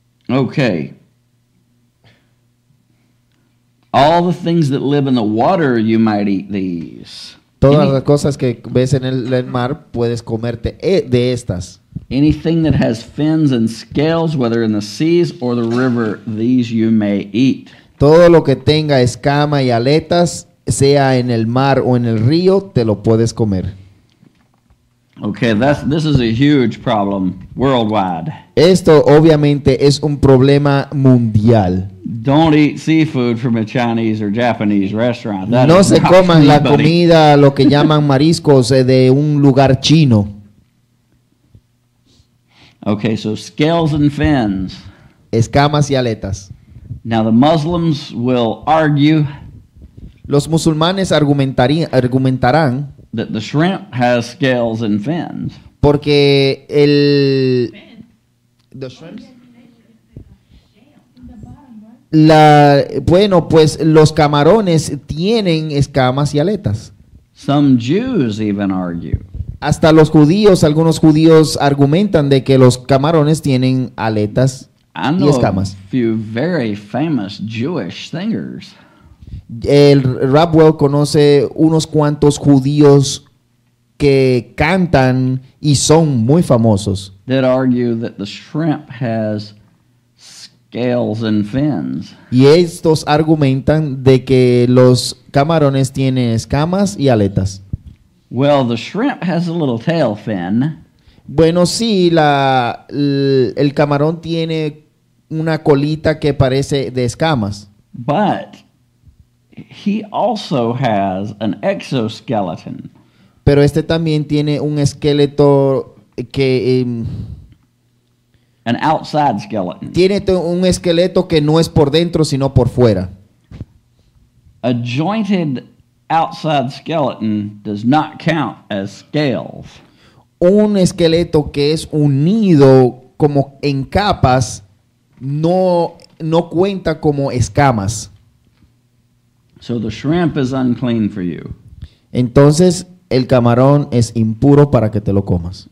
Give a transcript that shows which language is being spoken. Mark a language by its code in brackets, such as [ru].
[en] Okay. All the things that live in the water, you might eat these. [es] Todas las cosas que ves en el mar, puedes comerte de estas. [en] Anything that has fins and scales, whether in the seas or the river, these you may eat. [es] Todo lo que tenga escama y aletas, sea en el mar o en el río, te lo puedes comer. [en] Okay, this is a huge problem worldwide. [es] Esto obviamente es un problema mundial. [en] Don't eat seafood from a Chinese or Japanese restaurant. That [es] no se coman [en] anybody. [es] La comida, lo que llaman mariscos, de un lugar chino. [en] Okay, so scales and fins. [es] Escamas y aletas. [en] Now the Muslims will argue. [es] Los musulmanes argumentarán. [en] That the shrimp has scales and fins. [es] Porque el... [en] Fins. The shrimps? [es] La, bueno, pues los camarones tienen escamas y aletas. [en] Some Jews even argue. [es] Hasta los judíos, algunos judíos argumentan de que los camarones tienen aletas y escamas. [en] I know a few very famous Jewish singers. [es] El Rapwell conoce unos cuantos judíos que cantan y son muy famosos. [en] That argue that the shrimp has scales and fins. [es] Y estos argumentan de que los camarones tienen escamas y aletas. [en] Well, the shrimp has a little tail fin. [es] Bueno, sí, el camarón tiene una colita que parece de escamas. [en] But he also has an exoskeleton. [es] Pero este también tiene un esqueleto que... [en] An outside skeleton. [es] Tiene un esqueleto que no es por dentro, sino por fuera. [en] A jointed outside skeleton does not count as scales. [es] Un esqueleto que es unido como en capas no cuenta como escamas. [en] So the shrimp is unclean for you. [es] Entonces el camarón es impuro para que te lo comas.